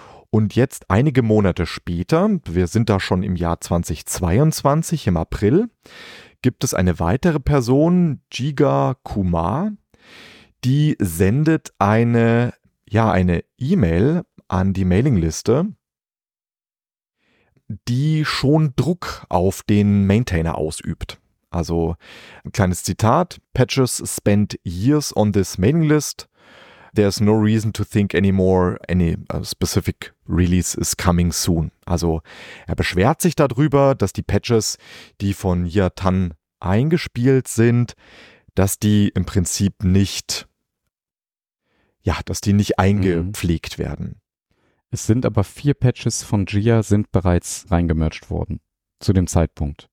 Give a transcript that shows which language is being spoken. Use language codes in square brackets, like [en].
[de] Und jetzt einige Monate später, wir sind da schon im Jahr 2022, im April, gibt es eine weitere Person, Jiga Kumar, die sendet eine E-Mail an die Mailingliste, die schon Druck auf den Maintainer ausübt. Also ein kleines Zitat. [en] Patches spent years on this mailing list. There's no reason to think anymore any specific release is coming soon. [de] Also er beschwert sich darüber, dass die Patches, die von Jia Tan eingespielt sind, dass die im Prinzip nicht, dass die nicht eingepflegt werden. Es sind aber 4 Patches von Jia sind bereits reingemerged worden zu dem Zeitpunkt.